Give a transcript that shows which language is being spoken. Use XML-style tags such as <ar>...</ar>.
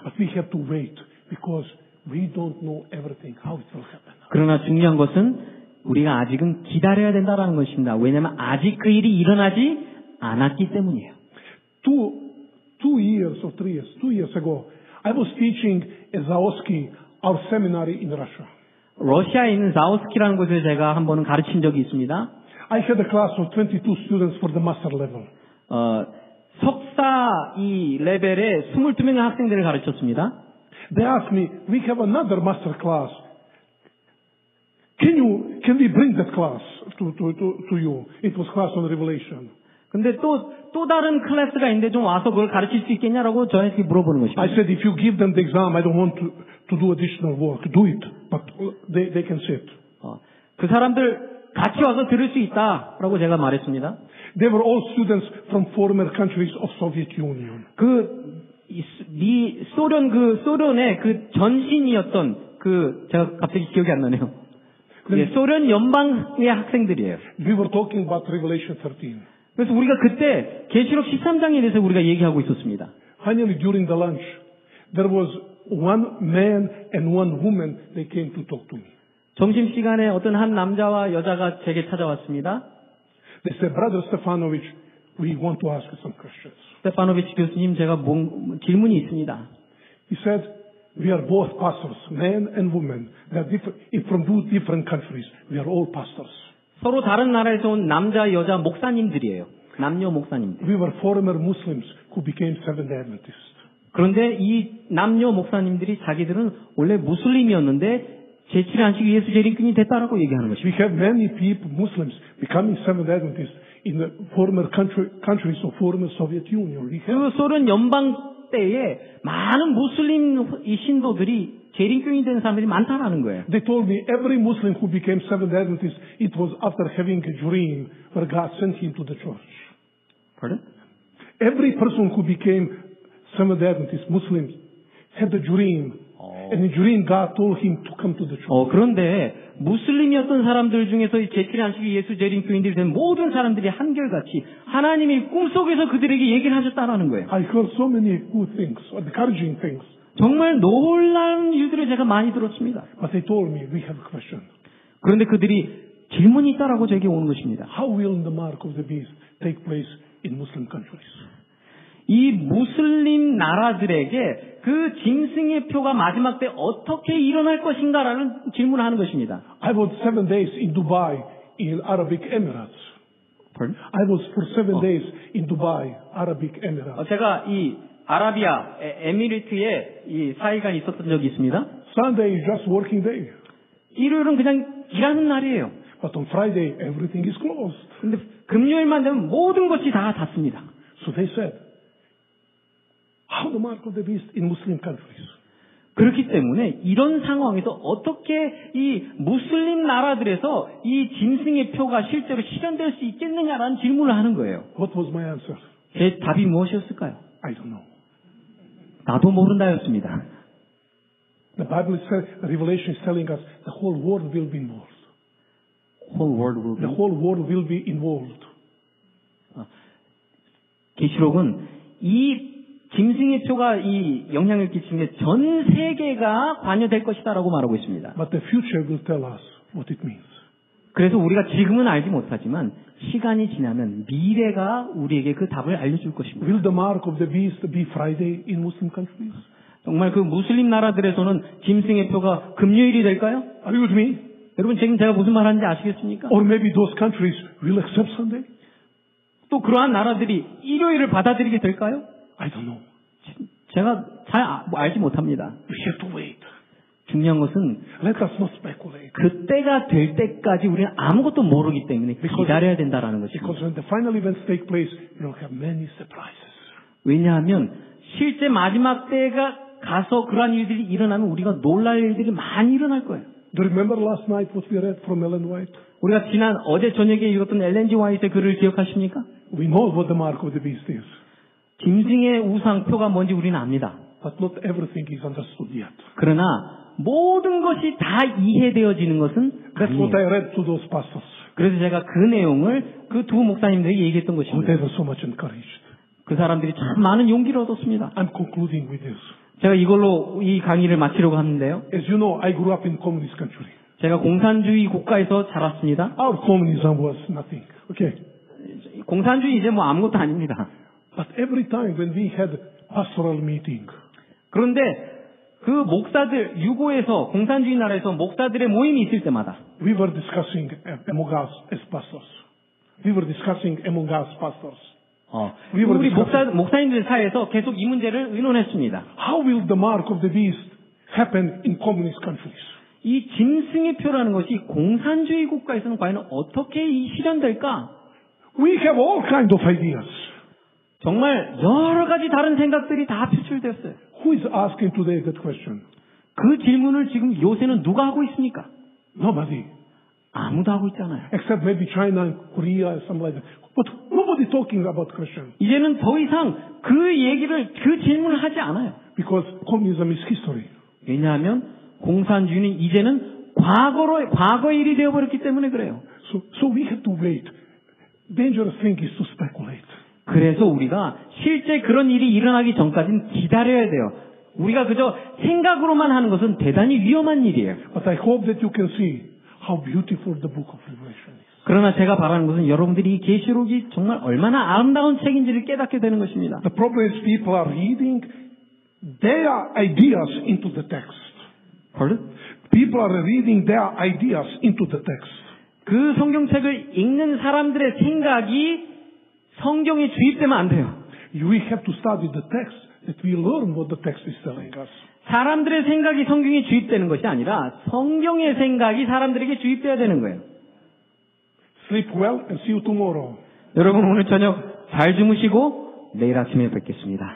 <en>But we have to wait because we don't know everything how it will happen.</en> <ko>그러나 중요한 것은 우리가 아직은 기다려야 된다라는 것입니다. 왜냐하면 아직 그 일이 일어나지 않았기 때문이에요.</ko> <en>Two years ago. I was teaching at Zaoski, our seminary in Russia.</en> <ko>러시아에 있는 자우스키라는 곳에 제가 한 번은 가르친 적이 있습니다.</ko> <en>I had a class of 22 students for the master level.</en> <ko>석사 이 레벨에 22명의 학생들을 가르쳤습니다.</ko> <en>They asked me, we have another master class. Can we bring that class to you? It was class on Revelation.</en> <ko>근데 또 다른 클래스가 있는데 좀 와서 그걸 가르칠 수 있겠냐라고 저한테 물어보는 것입니다.</ko> <en>I said, if you give them the exam, I don't want to do additional work. Do it. But they can sit.</en> <ko>그 사람들 같이 와서 들을 수 있다라고 제가 말했습니다.</ko> <en>They were all students from former countries of Soviet Union.</en> <ko>그 미 소련 그 소련의 그 전신이었던 그 제가 갑자기 기억이 안 나네요. 예, 소련 연방의 학생들이에요.</ko> <en>We were talking about Revelation 13.</en> <ko>그래서 우리가 그때 계시록 13장에 대해서 우리가 얘기하고 있었습니다.</ko> <en>Finally, during the lunch, there was one man and one woman. They came to talk to me.</en> <ko>점심 시간에 어떤 한 남자와 여자가 제게 찾아왔습니다.</ko> <en>They said, Brother Stefanovic, we want to ask you some questions.</en> <ko>스테파노비치 교수님, 제가 질문이 있습니다.</ko> <en>He said, we are both pastors, men and women. They are different, from two different countries. We are all pastors.</en> <ko>서로 다른 나라에서 온 남자, 여자 목사님들이에요. 남녀 목사님들.</ko> <en>We were former Muslims who became Seventh-day Adventists.</en> <ko>그런데 이 남녀 목사님들이 자기들은 원래 무슬림이었는데 제7일 안식일 예수 재림꾼이 됐다라고 얘기하는 것입니다.</ko> <en>We have many people, Muslims, becoming Seventh-day Adventists in the former countries of former Soviet Union.</en> <ko>그 소련 연방 때에 많은 무슬림 신도들이 재림교인이 된 사람들이 많다라는 거예요.</ko> <en>They told me every Muslim who became Seventh-day Adventist, it was after having a dream where God sent him to the church. Pardon? Every person who became Seventh-day Adventist, Muslim, had a dream. Oh. And in dream, God told him to come to the church.</en> <ko>그런데 무슬림이었던 사람들 중에서 제7일 안식일 예수 재림교인들이 된 모든 사람들이 한결같이 하나님이 꿈속에서 그들에게 얘기를 하셨다라는 거예요.</ko> <en>I heard so many good things, encouraging things.</en> <ko>정말 놀라운 이유들을 제가 많이 들었습니다.</ko> <en>But they told me we have a question.</en> <ko>그런데 그들이 질문이 있다라고 저에게 오는 것입니다.</ko> <en>How will the mark of the beast take place in Muslim countries?</en> <ko>이 무슬림 나라들에게 그 짐승의 표가 마지막 때 어떻게 일어날 것인가라는 질문을 하는 것입니다.</ko> <en>I was 7 days in Dubai in Arabic Emirates. Pardon? I was for 7 days in Dubai, Arabic Emirates.</en> <ko>제가 이 아라비아 에미리트에 이 사이간 있었던 적이 있습니다.</ko> <en>Sunday is just working day.</en> <ko>일요일은 그냥 일하는 날이에요.</ko> <en>But on Friday everything is closed.</en> <ko>근데 금요일만 되면 모든 것이 다 닫습니다.</ko> <en>So they said, how the mark of the beast in Muslim countries?</en> <ko>그렇기 때문에 이런 상황에서 어떻게 이 무슬림 나라들에서 이 짐승의 표가 실제로 실현될 수 있겠느냐라는 질문을 하는 거예요.</ko> <en>What was my answer?</en> <ko>제 답이 무엇이었을까요?</ko> <en>I don't know.</en> <ko>나도 모른다였습니다.</ko> <en>The Bible says, Revelation is telling us the whole world will be involved. The whole world will be involved.</en> <ko>계시록은 이 짐승의 표가 이 영향을 끼치는 전 세계가 관여될 것이다라고 말하고 있습니다.</ko> <en>But the future will tell us what it means.</en> <ko>그래서 우리가 지금은 알지 못하지만 시간이 지나면 미래가 우리에게 그 답을 알려줄 것입니다.</ko> <en>Will the mark of the beast be Friday in Muslim countries?</en> <ko>정말 그 무슬림 나라들에서는 짐승의 표가 금요일이 될까요?</ko> <en>Are you with me?</en> <ko>여러분 지금 제가 무슨 말하는지 아시겠습니까?</ko> <en>Or maybe those countries will accept Sunday?</en> <ko>또 그러한 나라들이 일요일을 받아들이게 될까요?</ko> <en>I don't know.</en> <ko>제가 잘 알지 못합니다.</ko> <en>We have to wait.</en> <ko>중요한 것은</ko> <en>Let us not speculate.</en> <ko>그때가 될 때까지 우리는 아무것도 모르기 때문에 기다려야 된다라는 것입니다.</ko> <en>Because when the final events take place, you'll have many surprises.</en> <ko>왜냐하면 실제 마지막 때가 가서 그러한 일들이 일어나면 우리가 놀랄 일들이 많이 일어날 거예요.</ko> <en>Do you remember last night what we read from Ellen White?</en> <ko>우리가 지난 어제 저녁에 읽었던 엘렌 지 화이트의 글을 기억하십니까?</ko> <en>We know what the mark of the beast is.</en> <ko>짐승의 우상표가 뭔지 우리는 압니다.</ko> <en>But not everything is understood yet.</en> <ko>그러나 모든 것이 다 이해되어지는 것은 아니에요.</ko> <en>That's what I read to those pastors.</en> <ko>그래서 제가 그 내용을 그 두 목사님들에게 얘기했던 것입니다.</ko> <en>Oh, they were so much encouraged.</en> <ko>그 사람들이 참 많은 용기를 얻었습니다.</ko> <en>I'm concluding with this.</en> <ko>제가 이걸로 이 강의를 마치려고 하는데요.</ko> <en>As you know, I grew up in communist country.</en> <ko>제가 공산주의 국가에서 자랐습니다.</ko> <en>Our communism was nothing. Okay.</en> <ko>공산주의 이제 뭐 아무것도 아닙니다.</ko> <en>But every time when we had pastoral meeting.</en> <ko>그런데 그 목사들 유고에서 공산주의 나라에서 목사들의 모임이 있을 때마다</ko> <en>we were discussing among us as pastors. We were discussing among us pastors.</en> <ko>우리 목사님들 사이에서 계속 이 문제를 의논했습니다.</ko> <en>How will the mark of the beast happen in communist countries?</en> <ko>이 짐승의 표라는 것이 공산주의 국가에서는 과연 어떻게 실현될까?</ko> <en>We have all kinds of ideas.</en> <ko>정말 여러 가지 다른 생각들이 다 표출됐어요.</ko> <en>Who is asking today that question?</en> <ko>그 질문을 지금 요새는 누가 하고 있습니까?</ko> <en>Nobody.</en> <ko>아무도 하고 있잖아요.</ko> <en>Except maybe China and Korea or something like that. But nobody talking about Christian.</en> <ko>이제는 더 이상 그 얘기를 그 질문을 하지 않아요.</ko> <en>Because communism is history.</en> <ko>왜냐하면 공산주의는 이제는 과거의 일이 되어버렸기 때문에 그래요.</ko> <en>So we have to wait. Dangerous thing is to speculate.</en> <ko>그래서 우리가 실제 그런 일이 일어나기 전까지는 기다려야 돼요. 우리가 그저 생각으로만 하는 것은 대단히 위험한 일이에요.</ko> <en>But I hope that you can see how beautiful the book of Revelation is.</en> <ko>그러나 제가 바라는 것은 여러분들이 이 계시록이 정말 얼마나 아름다운 책인지를 깨닫게 되는 것입니다.</ko> <en>The problem is people are reading their ideas into the text. Pardon? People are reading their ideas into the text.</en> <ko>그 성경책을 읽는 사람들의 생각이 성경에 주입되면 안 돼요.</ko> <en>We have to study the text that we learn what the text is telling us.</en> <ko>사람들의 생각이 성경에 주입되는 것이 아니라 성경의 생각이 사람들에게 주입되어야 되는 거예요.</ko> <en>Sleep well and see you tomorrow.</en> <ko>여러분 오늘 저녁 잘 주무시고 내일 아침에 뵙겠습니다.</ko>